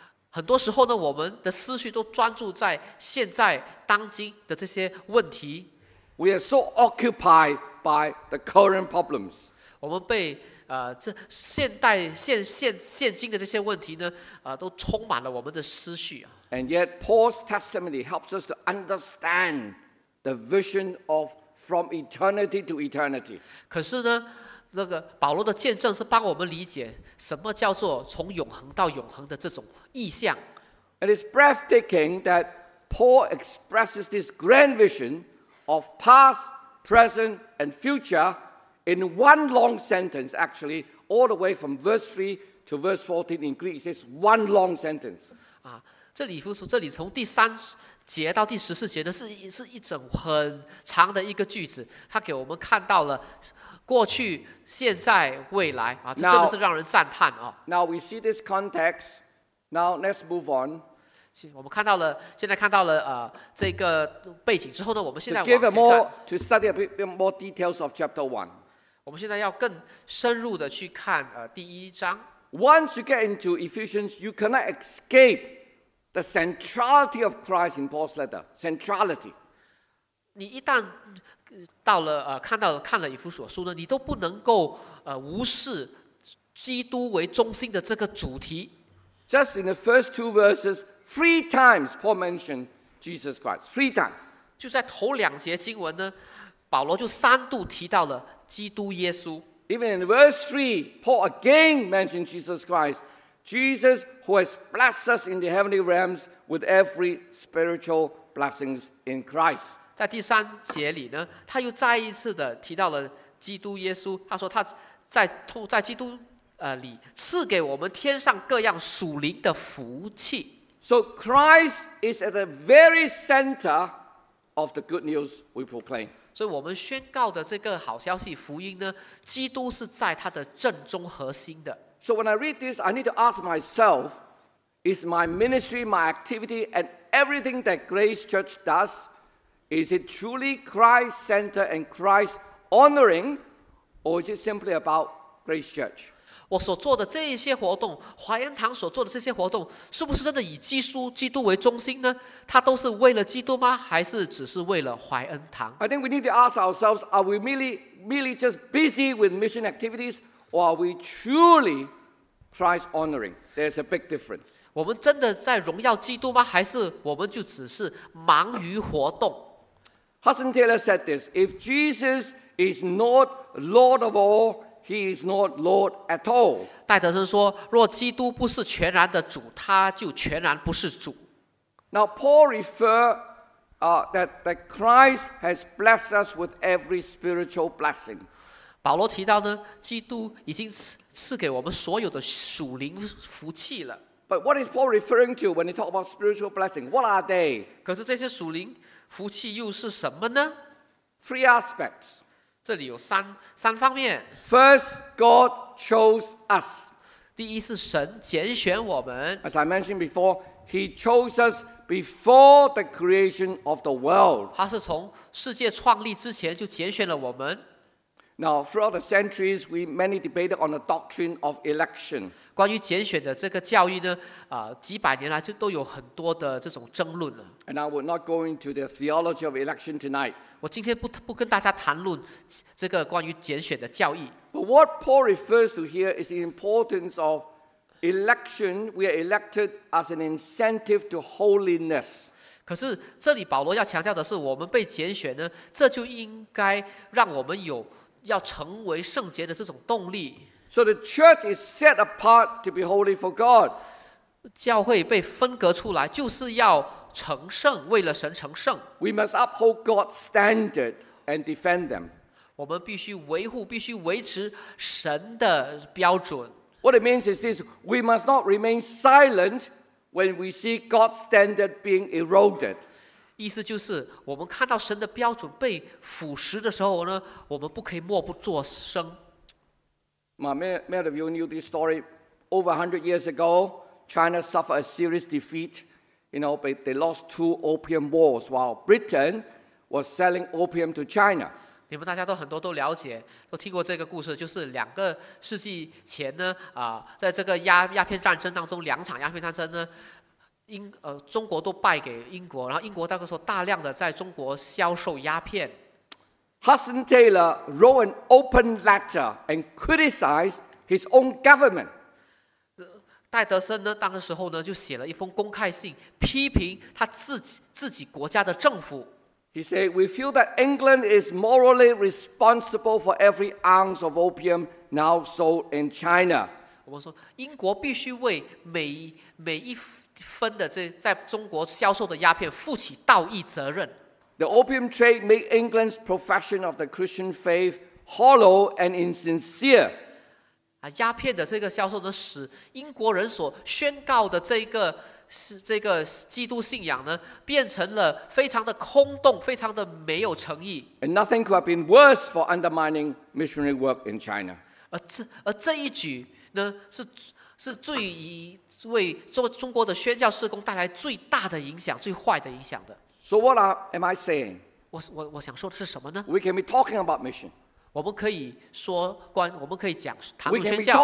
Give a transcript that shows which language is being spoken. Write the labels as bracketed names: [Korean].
[Chinese] 很多时候呢，我们的思绪都专注在现在当今的这些问题。 [English] We are so occupied by the current problems. [Chinese] 我们被这现今的这些问题呢，都充满了我们的思绪。 [English] And yet, Paul's testimony helps us to understand the vision of from eternity to eternity. [Chinese] 可是呢，那个保罗的见证是帮我们理解什么叫做从永恒到永恒的这种意象。 [English] It is breathtaking that Paul expresses this grand vision of past, present, and future in one long sentence, actually, all the way from verse 3 to verse 14 in Greek. It's one long sentence. [Chinese] 这里从第三节到第十四节呢 是一整很长的一个句子，他给我们看到了过去、现在、未来啊，这真的是让人赞叹啊。 [English] Now we see this context. Now let's move on. [Chinese] 我们看到了，现在看到了这个背景之后呢，我们现在 [English] to study a bit more details of chapter one. [Chinese] 我们现在要更深入的去看第一章。 [English] Once you get into Ephesians, you cannot escape the centrality of Christ in Paul's letter. Centrality. [Chinese] 你一旦到了看了以弗所书呢，你都不能够无视基督为中心的这个主题。 [English] Just in the first two verses, three times Paul mentioned Jesus Christ. Three times. [Chinese] 就在头两节经文呢，保罗就三度提到了基督耶稣。 [English] Even in verse 3, Paul again mentioned Jesus Christ, Jesus who has blessed us in the heavenly realms with every spiritual blessings in Christ. [Chinese] 在第三节里呢，他又再一次的提到了基督耶稣，他说他 在基督里赐给我们天上各样属灵的福气。 [English] So Christ is at the very center of the good news we proclaim. [Chinese] 所以我们宣告的这个好消息福音呢，基督是在他的正中核心的。 [English] So when I read this, I need to ask myself, Is my ministry, my activity, and everything that Grace Church does, is it truly Christ-centered and Christ-honoring, or is it simply about Grace Church? [Chinese] 我所做的这一些活动，华严堂所做的这些活动，是不是真的以基督、基督为中心呢？它都是为了基督吗？还是只是为了华严堂 [English] ？I think we need to ask ourselves: Are we merely just busy with mission activities, or are we truly Christ honoring? There's a big difference. [Chinese] 我们真的在荣耀基督吗？还是我们就只是忙于活动 [English] ？Hudson Taylor said this: If Jesus is not Lord of all. He is not Lord at all. [Chinese] 戴德生说，若基督不是全然的主，他就全然不是主。 [English] Now Paul referred that Christ has blessed us with every spiritual blessing. [Chinese] 保罗提到呢，基督已经赐给我们所有的属灵福气了。 [English] But what is Paul referring to when he talks about spiritual blessing? What are they? [Chinese] 可是这些属灵福气又是什么呢？ [English] Three aspects. [Chinese] 这里有三方面。 [English] First, God chose us. [Chinese] 第一是神拣选我们。 [English] As I mentioned before, He chose us before the creation of the world. [Chinese] 他是从世界创立之前就拣选了我们。 [English] Now, throughout the centuries, we many debated on the doctrine of election. [Chinese] 关于拣选的这个教义呢，几百年来就都有很多的这种争论了。 [English] And I will not go into the theology of election tonight. [Chinese] 我今天不跟大家谈论这个关于拣选的教义。 [English] But what Paul refers to here is the importance of election. We are elected as an incentive to holiness. [Chinese] 可是这里保罗要强调的是，我们被拣选呢，这就应该让我们有要成为圣洁的这种动力。 [English] So the church is set apart to be holy for God. [Chinese] 教会被分隔出来，就是要成圣，为了神成圣。 [English] We must uphold God's standard and defend them. [Chinese] 我们必须维护，必须维持神的标准。 [English] What it means is this: We must not remain silent. When we see God's standard being eroded, [Chinese] 意思就是我们看到神的标准被腐蚀的时候呢，我们不可以默不作声。 [English] Many of you knew this story. Over 100 years ago, China suffered a serious defeat. You know, they lost two opium wars while Britain was selling opium to China. [Chinese] 你们大家都很多都了解，都听过这个故事，就是两个世纪前呢，在这个鸦片战争当中，两场鸦片战争呢，中国都败给英国，然后英国那个时候大量的在中国销售鸦片。 [English] Hudson Taylor wrote an open letter and criticized his own government. [Chinese] 戴德生呢，当时候呢就写了一封公开信，批评他自己国家的政府。 [English] He said, "We feel that England is morally responsible for every ounce of opium now sold in China." [Chinese] 我说英国必须为每一分的这在中国销售的鸦片负起道义责任。 [English] The opium trade made England's profession of the Christian faith hollow and insincere. [Chinese] 啊，鸦片的这个销售呢，使英国人所宣告的这个基督信仰呢，变成了非常的空洞，非常的没有诚意。 [English] And nothing could have been worse for undermining missionary work in China. [Chinese] 而这一举呢，是最以为中国的宣教事工带来最大的影响，最坏的影响的。 [English] So what am I saying? [Chinese] 我想说的是什么呢 [English] ？We can be talking about mission. [Chinese] 我们可以说关，我们可以讲谈论宣教。